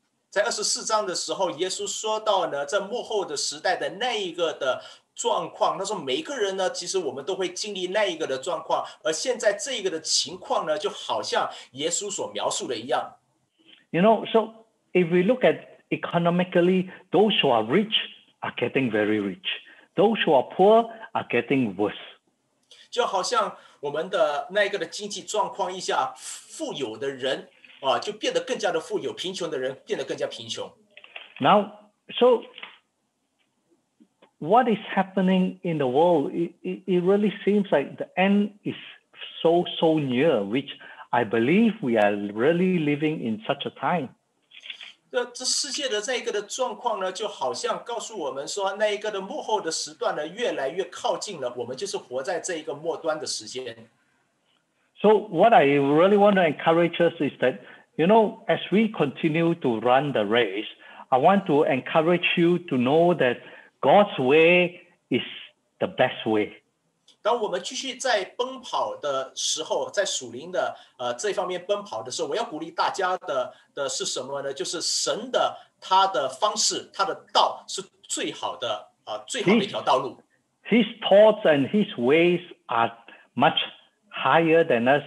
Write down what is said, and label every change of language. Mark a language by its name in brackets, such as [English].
[Chinese] 在24章的时候，耶稣说到呢，在末后的时代的那一个的状况，他说每个人呢，其实我们都会经历那一个的状况，而现在这个的情况呢，就好像耶稣所描述的一样。 [English] You know, so if we look at economically, those who are rich are getting very rich. Those who are poor are getting worse. [Chinese] 就好像我们的那个的经济状况一下，富有的人啊，就变得更加的富有，贫穷的人变得更加贫穷。 [English] Now, so what is happening in the world? It really seems like the end is so near, which I believe we are really living in such a time. [Chinese] 这世界的这一个的状况呢，就好像告诉我们说，那一个的末后的时段呢，越来越靠近了。我们就是活在这一个末端的时间。 [English] So what I really want to encourage us is that, you know, as we continue to run the race, I want to encourage you to know that God's way is the best way. [Chinese] 当我们继续在奔跑的时候，在属灵的这方面奔跑的时候，我要鼓励大家的是什么呢？就是神的他的方式，他的道是最好的最好的一条道路。 [English] His thoughts and his ways are much higher than us.